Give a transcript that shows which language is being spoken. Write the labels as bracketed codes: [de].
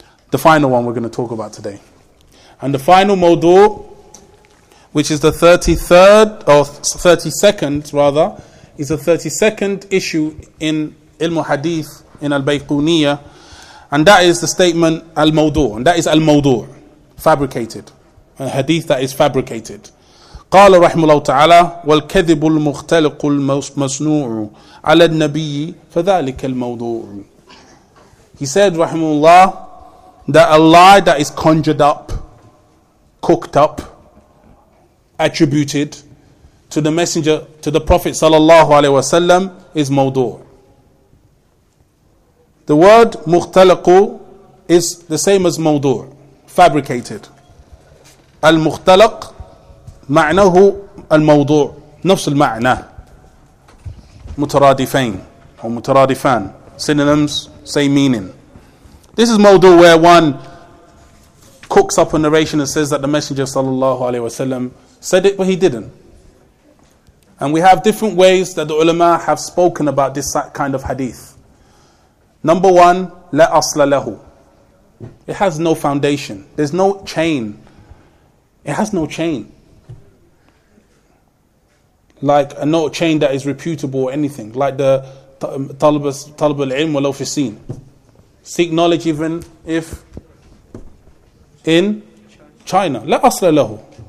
[en] The final one we're going to talk about today. And the final mawdu, which is the 32nd issue in ilmu hadith in al-Bayquniyya. And that is the statement al-mawdu. And that is al-mawdu, fabricated. A hadith that is fabricated. [ar] قال رحمه الله تعالى والكذب المختلق المصنوع على النبي فذلك الموضوع. [en] He said [ar] رحمه الله [en] that a lie that is conjured up, cooked up, attributed to the messenger, to the prophet [ar] صلى الله عليه وسلم, [en] is موضوع. The word مختلق is the same as موضوع, fabricated. [ar] المختلق معناه الموضوع نفس المعنى مترادفين أو مترادفان [en] synonyms same meaning. This is موضوع where one cooks up a narration and says that the messenger sallallahu alaihi wasallam said it but he didn't. And we have different ways that the ulama have spoken about this kind of hadith. [ar] Number one, لا أصل له. [en] It has no foundation. There's no chain. like a note chain that is reputable or anything, like the talib al-ilm walaw fi sin. Seek knowledge even if in China. [ar] La asla lahu.